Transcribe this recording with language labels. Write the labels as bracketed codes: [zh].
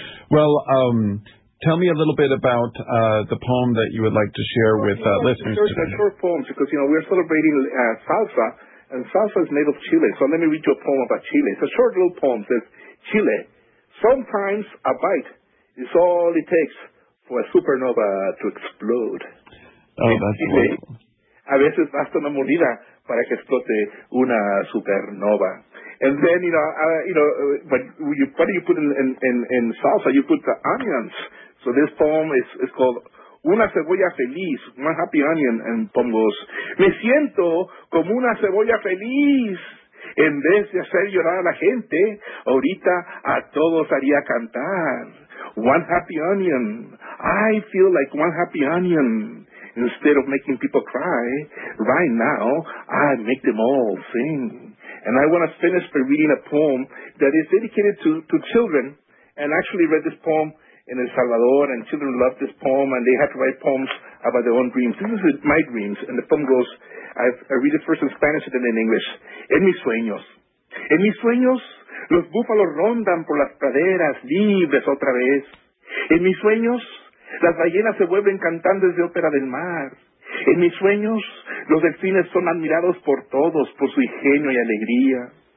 [en] Well, tell me a little bit about the poem that you would like to share with listeners today. It's a short poem because, you know, we're celebrating salsa, and salsa is made of Chile. So let me read you a poem about Chile. It's a short little poem. It says, Chile, sometimes a bite is all it takes for a supernova to explode. Oh, that's wonderful. [es] A veces basta una mordida para que explote una supernova. [en] And then, what do you put in salsa? You put the onions. So this poem is called Una Cebolla Feliz, One Happy Onion, and poem goes, [es] Me siento como una cebolla feliz. En vez de hacer llorar a la gente, ahorita a todos haría cantar. [en] One Happy Onion. I feel like One Happy Onion. Instead of making people cry, right now, I make them all sing. And I want to finish by reading a poem that is dedicated to children. And I actually read this poem in El Salvador, and children love this poem, and they have to write poems about their own dreams. This is my dreams, and the poem goes, I read it first in Spanish and then in English. [es] En mis sueños, los búfalos rondan por las praderas libres otra vez. En mis sueños, las ballenas se vuelven cantantes de ópera del mar. En mis sueños, los delfines son admirados por todos por su ingenio y alegría.